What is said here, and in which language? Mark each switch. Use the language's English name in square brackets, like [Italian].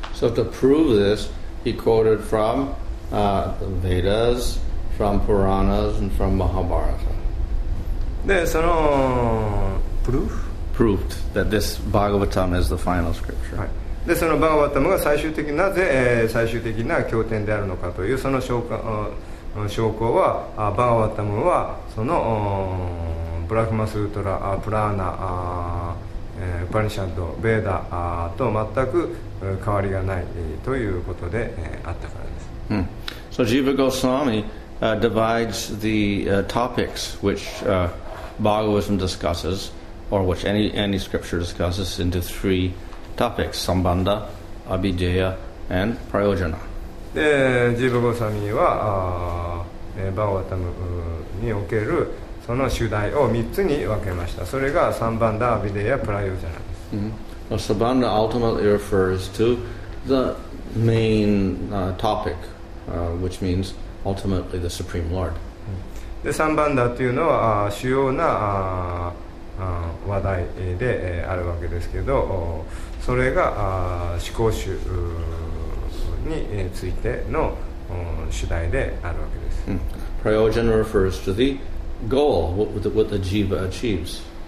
[English] So to prove this, he quoted from Vedas, from Puranas, and from Mahabharata. [Japanese] で、その proof? [English] Proved that this Bhagavatam is the final scripture.、 [Japanese] はい、でそのバガヴァタムが最終的なぜ、最終的な経典であるのかというその証拠、証拠はバガヴァタムはそのブラフマスートラ、プラーナ、ウパニシャッド、ベーダと全く変わりがないということで、あったからです。 [English] So Jiva Goswami divides the topics which Bhagavatam discusses or which any scripture discusses into threeTopics, Sambandha, Abhijaya, and Prayojana. [Japanese] で、ジーヴァ・ゴーサミーは、バガヴァタムにおけるその主題を3つに分けました。それがサンバンダ、アビデヤ、プライオジャナです。 Mm-hmm. [English] Well, Sambandha ultimately refers to the main topic, which means ultimately the Supreme Lord. [Japanese] で、サンバンダというのは主要な話題で、あるわけですけど、それが思考集についての主題であるわけです。 [English] Prayojana refers to the goal, what the jiva achieves.